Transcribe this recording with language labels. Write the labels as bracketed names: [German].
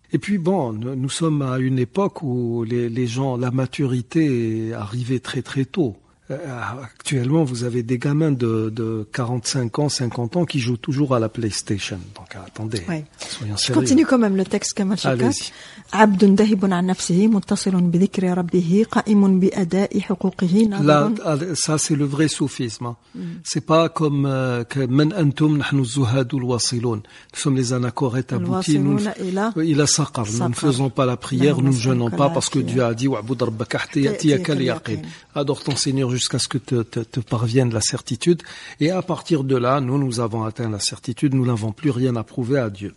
[French] Et puis bon, nous sommes à une époque où les gens, la maturité arrivait très très tôt. Actuellement, vous avez des gamins de 45 ans, 50 ans qui jouent toujours à la PlayStation. Donc attendez, oui. Soyons sérieux. Je continue quand même le texte, Kamal Chekat. Allez-y. [Arabic] عبد ذاهب عن نفسه متصل بذكر ربه قائم بأداء حقوقه ناظر. [French] Ça c'est le vrai soufisme. C'est pas comme que [Arabic] من أنتم نحن الزهاد الواصلون. [French] Nous sommes les anachorètes aboutis. Nous il a saqar. Nous ne faisons pas la prière, nous ne jeûnons pas parce que Dieu a dit [Arabic] وعبد ربك حتى يأتيك اليقين. [French] Adore ton Seigneur jusqu'à ce que te parvienne la certitude. Et à partir de là, nous avons atteint la certitude. Nous n'avons plus rien à prouver à Dieu.